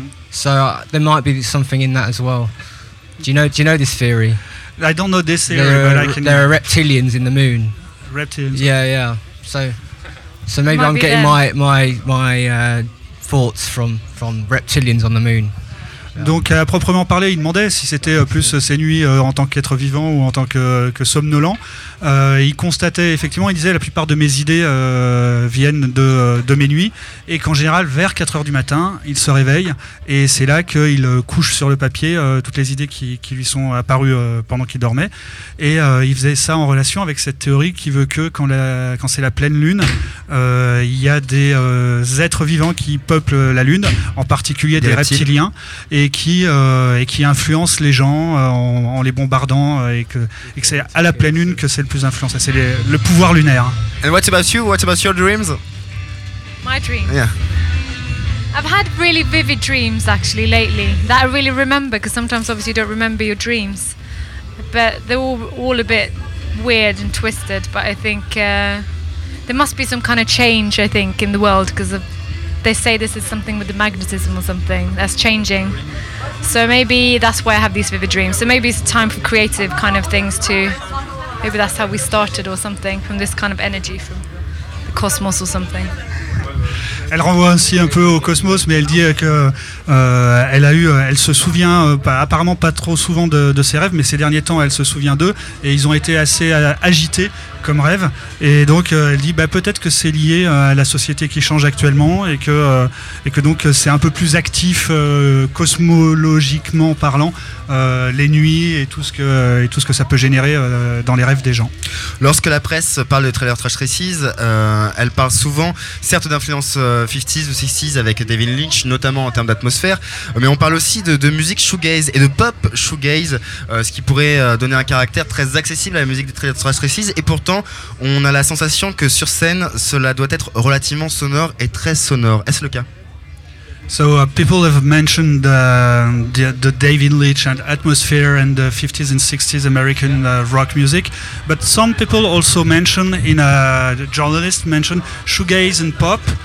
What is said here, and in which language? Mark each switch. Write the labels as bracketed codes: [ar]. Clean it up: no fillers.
[en] So there might be something in that as well. Do you know this theory? I don't know this theory, but there are reptilians in the moon. Reptilians. Yeah. So maybe I'm getting my thoughts from reptilians on the moon. [fr] Donc à proprement parler, il demandait si c'était plus ses nuits en tant qu'être vivant ou en tant que somnolent. Il constatait effectivement, il disait, la plupart de mes idées viennent de mes nuits, et qu'en général vers 4h du matin, il se réveille et c'est là qu'il couche sur le papier toutes les idées qui lui sont apparues pendant qu'il dormait. Et il faisait ça en relation avec cette théorie qui veut que quand c'est la pleine lune, il y a des êtres vivants qui peuplent la lune, en particulier des reptiliens. Et qui influence les gens en les bombardant, et que c'est à la pleine lune que c'est le plus influencé, c'est le pouvoir lunaire. [en] And what about you? What about your dreams? My dreams. Yeah. I've had really vivid dreams actually lately that I really remember, because sometimes obviously you don't remember your dreams, but they're all a bit weird and twisted. But I think there must be some kind of change, I think, in the world, because of. They say this is something with the magnetism or something that's changing. So maybe that's why I have these vivid dreams. So maybe it's time for creative kind of things too. Maybe that's how we started or something, from this kind of energy from the cosmos or something. [fr] elle renvoie ainsi un peu au cosmos, mais elle dit que elle se souvient apparemment pas trop souvent de ses rêves, mais ces derniers temps elle se souvient d'eux et ils ont été assez agités comme rêve, et donc elle dit bah peut-être que c'est lié à la société qui change actuellement et que donc c'est un peu plus actif cosmologiquement parlant les nuits et tout ce que ça peut générer dans les rêves des gens. Lorsque la presse parle de Trailer Trash Races, elle parle souvent certes d'influence 50s ou 60s avec David Lynch, notamment en termes d'atmosphère, mais on parle aussi de musique shoegaze et de pop shoegaze, ce qui pourrait donner un caractère très accessible à la musique des Trailer Trash Races, et pour pourtant, on a la sensation que sur scène, cela doit être relativement sonore et très sonore. Est-ce le cas? [en] So people have mentioned the David Lynch and atmosphere and the 50s and 60s American rock music, but some people also mention in a journalist mention shoegaze and pop.